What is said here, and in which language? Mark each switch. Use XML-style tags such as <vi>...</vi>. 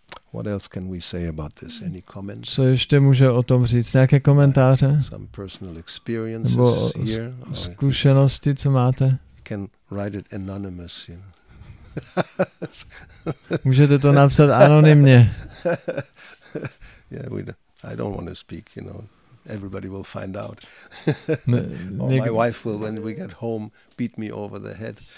<en>What else can we say about this? Any comments?</en> <cs>Co ještě může o tom říct? Nějaké komentáře?</cs> <en>Some personal experiences here.</en> <cs>Zkušenosti, co máte?</cs> <en>Can write it anonymous, you know.</en> <cs>Můžete to napsat anonymně.</cs> <en>Yeah, I don't want to speak, you know. Everybody will find out. my wife will, when we get home, beat me over the head.</en>